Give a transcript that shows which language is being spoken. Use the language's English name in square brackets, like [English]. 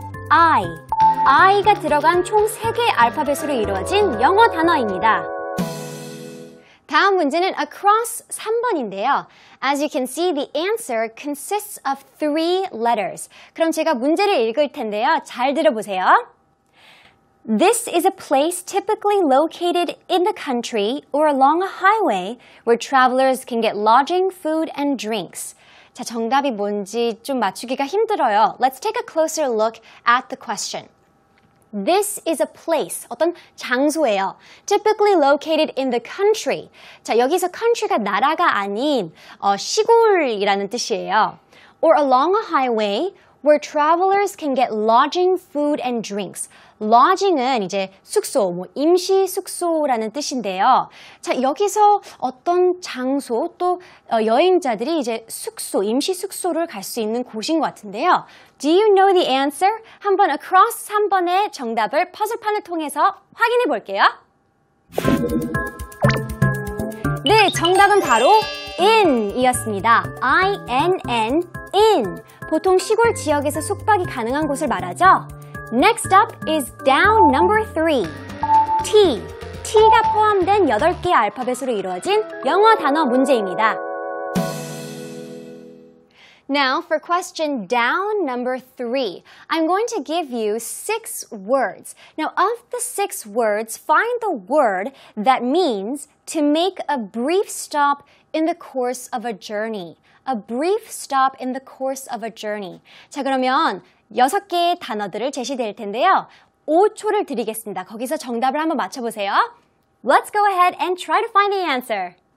[Korean] I가 들어간 총 3개 알파벳으로 이루어진 영어 단어입니다. 다음 문제는 across 3번인데요. [English] As you can see, the answer consists of 3 letters. [Korean] 그럼 제가 문제를 읽을 텐데요. 잘 들어보세요. [English] This is a place typically located in the country or along a highway where travelers can get lodging, food, and drinks. [Korean] 자, 정답이 뭔지 좀 맞추기가 힘들어요. [English] Let's take a closer look at the question. This is a place, [Korean] 어떤 장소예요. [English] Typically located in the country. [Korean] 자, 여기서 country가 나라가 아닌 시골이라는 뜻이에요. [English] Or along a highway where travelers can get lodging, food, and drinks. [Korean] Lodging은 이제 숙소, 뭐 임시 숙소라는 뜻인데요. 자, 여기서 어떤 장소, 또 여행자들이 이제 숙소, 임시 숙소를 갈 수 있는 곳인 것 같은데요. [English] Do you know the answer? [Korean] 한번 across 3번의 정답을 퍼즐판을 통해서 확인해 볼게요. 네, 정답은 바로 in이었습니다. [English] I-N-N, in. [Korean] 보통 시골 지역에서 숙박이 가능한 곳을 말하죠. [English] Next up is down number 3. T. [Korean] T가 포함된 8개 알파벳으로 이루어진 영어 단어 문제입니다. [English] Now for question down number 3. I'm going to give you 6 words. Now of the 6 words, find the word that means to make a brief stop in the course of a journey. A brief stop in the course of a journey. [Korean] 자, 그러면 여섯 개의 단어들을 제시될 텐데요. 5초를 드리겠습니다. 거기서 정답을 한번 맞춰보세요. [English] Let's go ahead and try to find the answer.